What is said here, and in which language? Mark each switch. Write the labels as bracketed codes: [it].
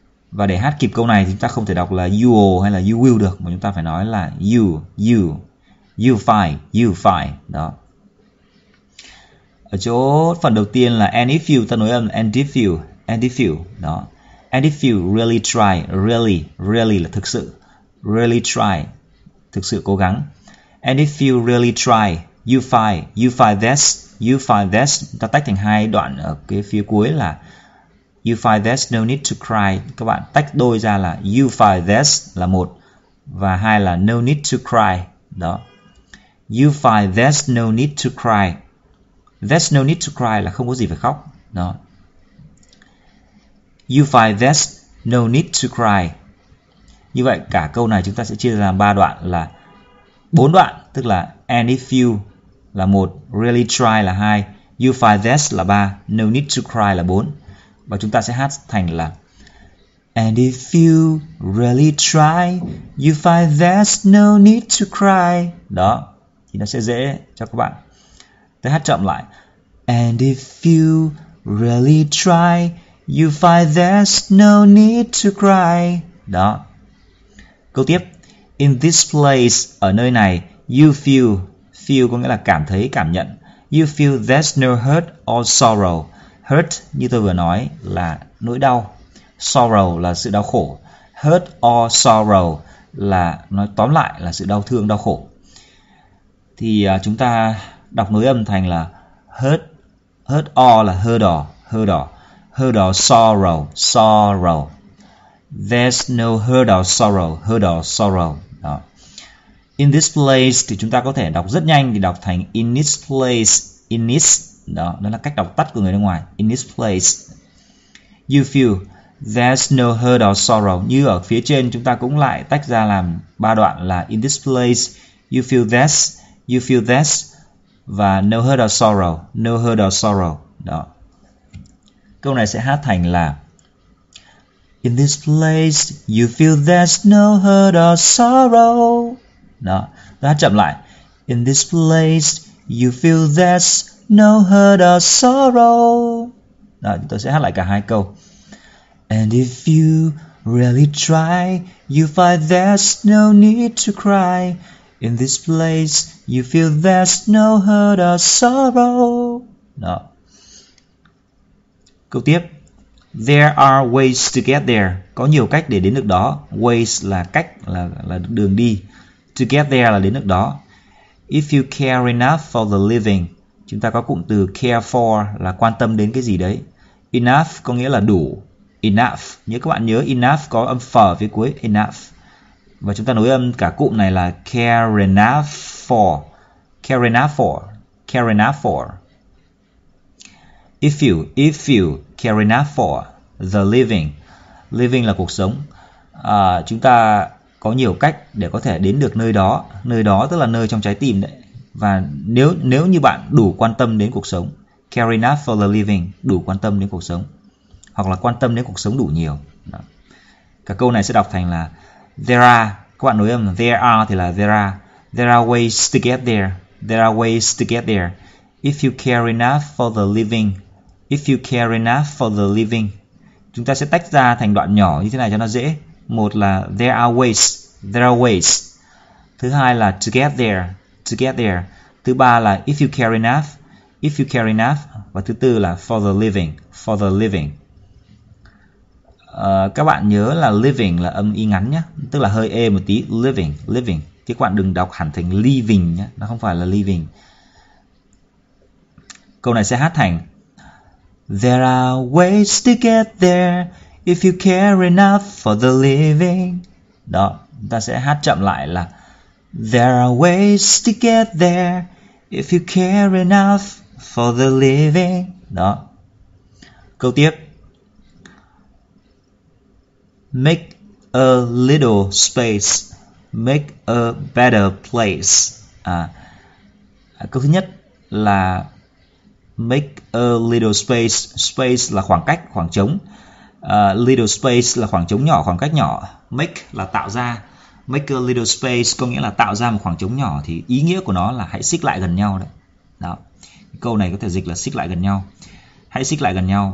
[vi] Và để hát kịp câu này thì chúng ta không thể đọc là you will hay là you will được, mà chúng ta phải nói là you, you, you fine, you fine. Đó. Ở chỗ phần đầu tiên là [en] and if you, [vi] ta nối âm and if you, đó. [en] And if you really try, really, really [vi] là thực sự. [en] Really try, [vi] thực sự cố gắng. [en] And if you really try, you find this, you find this. [vi] Ta tách thành hai đoạn ở cái phía cuối là [en] you find this, no need to cry. [vi] Các bạn tách đôi ra là you find this là một và hai là [en] no need to cry. [vi] Đó. [en] You find this, no need to cry. There's no need to cry [vi] là không có gì phải khóc. Đó. [en] You find this, no need to cry. [vi] Như vậy cả câu này chúng ta sẽ chia ra làm 3 đoạn là 4 đoạn, tức là [en] and if you [vi] là 1, really try là 2, [en] you find this [vi] là 3, no need to cry là 4. Và chúng ta sẽ hát thành là [en] and if you really try, you find this, no need to cry. [vi] Đó, thì nó sẽ dễ cho các bạn. Tôi hát chậm lại. [en] And if you really try, you find this, no need to cry. [vi] Đó. Câu tiếp. [en] In this place, [vi] ở nơi này, you feel, feel có nghĩa là cảm thấy, cảm nhận. [en] You feel there's no hurt or sorrow. [vi] Hurt, như tôi vừa nói, là nỗi đau. Sorrow là sự đau khổ. [en] Hurt or sorrow [vi] là, nói tóm lại, là sự đau thương, đau khổ. Thì chúng ta đọc nối âm thành là hurt, hurt or là hurt or, hurt or. [en] Hurt or sorrow, sorrow. There's no hurt or sorrow, đó. [vi] In this place thì chúng ta có thể đọc rất nhanh thì đọc thành in this place, in this, đó, đó là cách đọc tắt của người nước ngoài. [en] In this place, you feel there's no hurt or sorrow. [vi] Như ở phía trên chúng ta cũng lại tách ra làm ba đoạn là in this place, you feel this và [en] no hurt or sorrow, [vi] đó. Câu này sẽ hát thành là [en] in this place, you feel there's no hurt or sorrow. [vi] Đó, ta chậm lại. [en] In this place, you feel there's no hurt or sorrow. [vi] Đó, tôi sẽ hát lại cả hai câu. [en] And if you really try, you find there's no need to cry. In this place, you feel there's no hurt or sorrow. No. [vi] Câu tiếp. [en] There are ways to get there. [vi] Có nhiều cách để đến được đó. Ways là cách, là đường đi. [en] To get there [vi] là đến được đó. [en] If you care enough for the living. [vi] Chúng ta có cụm từ care for là quan tâm đến cái gì đấy. Enough có nghĩa là đủ. Enough. Nhớ các bạn nhớ enough có âm phở phía cuối. Enough. Và chúng ta nối âm cả cụm này là [en] care enough for. Care enough for. Care enough for. If you care enough for the living. [vi] Living là cuộc sống. À, chúng ta có nhiều cách để có thể đến được nơi đó. Nơi đó tức là nơi trong trái tim đấy. Và nếu như bạn đủ quan tâm đến cuộc sống. [en] Care enough for the living. [vi] Đủ quan tâm đến cuộc sống. Hoặc là quan tâm đến cuộc sống đủ nhiều. Đó. Cả câu này sẽ đọc thành là there are. Các bạn nối âm there are thì là there are. [en] There are ways to get there. There are ways to get there. If you care enough for the living. If you care enough for the living. [vi] Chúng ta sẽ tách ra thành đoạn nhỏ như thế này cho nó dễ. [en] Một là there are ways. There are ways. Thứ hai là to get there. To get there. [vi] Thứ ba là [en] if you care enough. If you care enough. Và thứ tư là for the living. For the living. [vi] Các bạn nhớ là living là âm y ngắn nhé. Tức là hơi ê một tí. Living, living. Chứ các bạn đừng đọc hẳn thành living nhé. Nó không phải là living. Câu này sẽ hát thành [en] there are ways to get there if you care enough for the living. Đó, [vi] ta sẽ hát chậm lại là [en] there are ways to get there if you care enough for the living. Đó. Câu tiếp. Make a little space, make a better place. [vi] Câu thứ nhất là [en] make a little space. [vi] Space là khoảng cách, khoảng trống. Little space là khoảng trống nhỏ, khoảng cách nhỏ. Make là tạo ra. Make a little space có nghĩa là tạo ra một khoảng trống nhỏ. Thì ý nghĩa của nó là hãy xích lại gần nhau đấy. Đó. Câu này có thể dịch là xích lại gần nhau. Hãy xích lại gần nhau.